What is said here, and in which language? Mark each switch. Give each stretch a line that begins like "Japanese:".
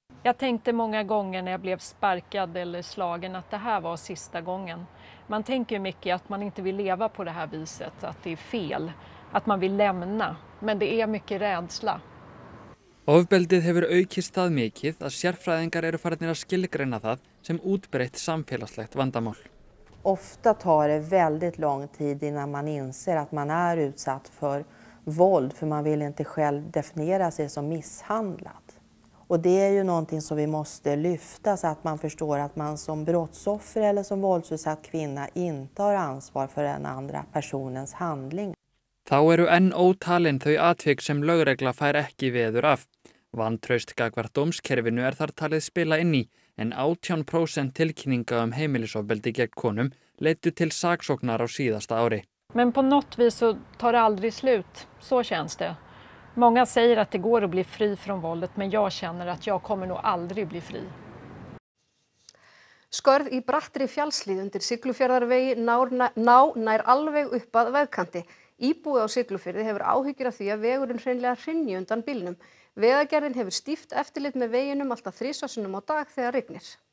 Swedish: Jag tänkte många gånger när jag blev sparkad eller slagen att det här var sista gången. Man tänker ju mycket att man inte vill leva på det här viset, att det är fel, att man vill lämna. Men det är mycket rädsla.
Icelandic: Ofbeldið hefur aukist það mikið að sérfræðingar eru farinir að skilgreina það sem útbreitt samfélagslegt vandamál.
Swedish: Ofta tar det väldigt lång tid innan man inser att man är utsatt för våld för man vill inte själv definiera sig som misshandlad. Och det är ju någonting som vi måste lyfta så att man förstår att man som brottsoffer eller som våldsutsatt kvinna inte har ansvar för den andra personens handling.
Icelandic: Þá eru enn ótalin þau atvik sem lögregla fær ekki veður af. Vantraust gagnvart dómskerfinu þar talið spila inn í, en 18% tilkynninga heimilisofbeldi gegn konum leiddu til saksóknar á síðasta ári.
Swedish: Men på något vis så tar det aldrig slut, så känns det. Många säger att det går att bli fri från våldet, men jag känner att jag kommer nog aldrig bli fri.
Icelandic: Skörð í brattri fjallshlíð undir Siglufjarðarvegi nær alveg upp að vegkanti. Íbúi á Siglufirði hefur áhyggjur af því að vegurinn hreinlega hrynji undan bílnum. Vegagerðin hefur stíft eftirlit með veginum alltaf 3 sinnum á dag þegar rignir.